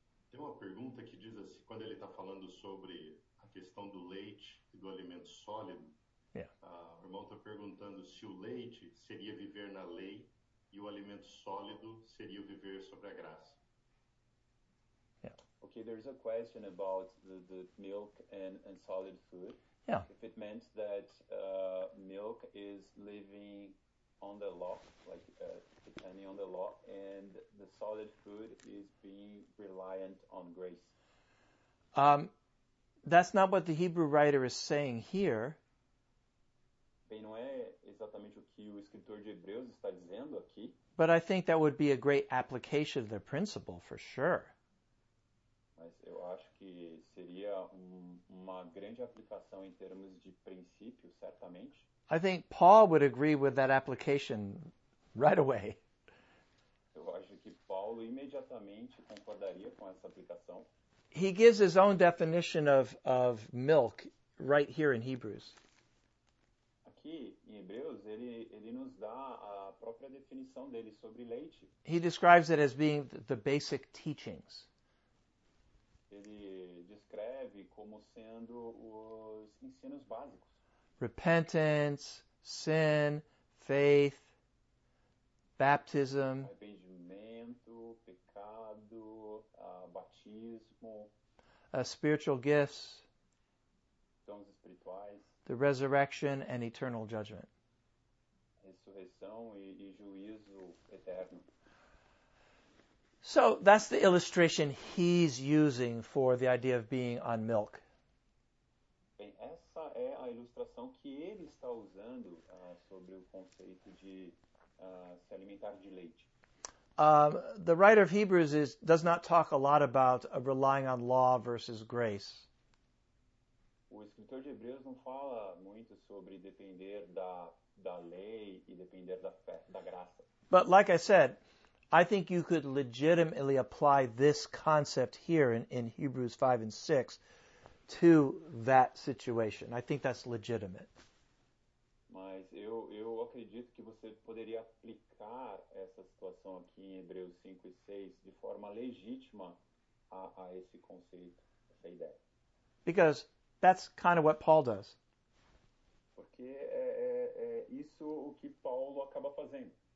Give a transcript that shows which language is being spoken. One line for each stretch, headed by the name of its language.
Portuguese: Tem uma pergunta que diz assim, quando ele está falando sobre a questão do leite e do alimento sólido, yeah. O irmão está perguntando se o leite seria viver na lei e o alimento sólido seria viver sobre a graça. Yeah.
English: Okay, there's a question about the milk and solid food. Yeah. If it meant that milk is living on the law, like depending on the law, and the solid food is being reliant on grace. That's not what the Hebrew writer is saying here.
Portuguese: Bem, não é exatamente o que o escritor de Hebreus está dizendo aqui.
English: But I think that would be a great application of the principle, for sure.
Portuguese: Mas eu acho que seria uma grande aplicação em termos de princípio, certamente.
English: I think Paul would agree with that application right away.
Portuguese: Eu acho que Paulo imediatamente concordaria com essa aplicação.
English: He gives his own definition of milk right here in Hebrews.
Portuguese: Em Hebreus, ele nos dá a própria definição dele sobre leite.
English: He describes it as being the basic teachings.
Portuguese: Ele descreve como sendo os ensinos básicos.
English: Repentance, sin, faith, baptism.
Portuguese: Arrependimento, pecado, batismo.
English: Spiritual gifts.
Portuguese: Dons espirituais.
English: The resurrection and eternal judgment.
Portuguese: Ressurreição e juízo eterno.
English: So that's the illustration he's using for the idea of being on milk.
Portuguese: Bem, essa é a ilustração que ele está usando sobre o conceito de se alimentar de leite.
English: The writer of Hebrews does not talk a lot about relying on law versus grace.
Portuguese: O escritor de Hebreus não fala muito sobre depender da lei e depender da fé, da graça.
English: But like I said, I think you could legitimately apply this concept here in Hebrews 5 and 6 to that situation. I think that's legitimate.
Portuguese: Mas eu acredito que você poderia aplicar essa situação aqui em Hebreus 5 e 6 de forma legítima a esse conceito, essa ideia.
English: Because that's kind of what Paul does.
Portuguese: Porque é isso o que Paulo acaba fazendo.